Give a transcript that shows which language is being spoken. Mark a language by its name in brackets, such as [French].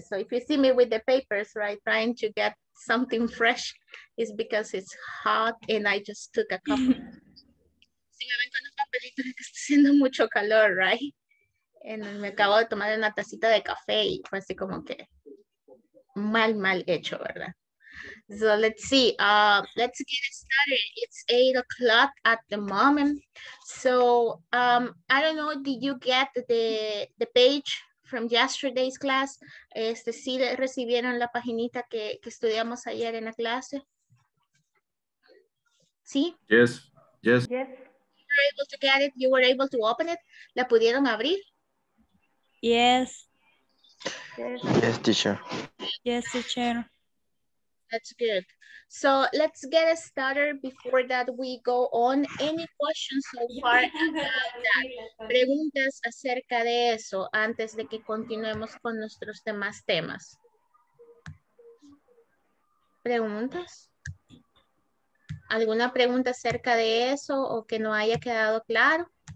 [English] So if you see me with the papers, right, trying to get something fresh, is because it's hot and I just took a cup. [Spanish] Si me ven con un papelito, que está haciendo mucho calor, right? And me acabo de tomar una tacita de café y fue así como que mal hecho, ¿verdad? [English] So let's see. Let's get started. It's 8 o'clock at the moment. So I don't know, did you get the page from yesterday's class? [Spanish] ¿Sí recibieron la paginita que estudiamos ayer en la clase? ¿Sí? [English] Yes, yes. Yes. You were able to get it, you were able to open it. [Spanish] ¿La pudieron abrir? [English] Yes. Yes, teacher. Yes, teacher. That's good. So let's get started before that we go on. Any questions so far about that? [Spanish] Preguntas acerca de eso antes de que continuemos con nuestros demás temas. ¿Preguntas? ¿Alguna pregunta acerca de eso o que no haya quedado claro?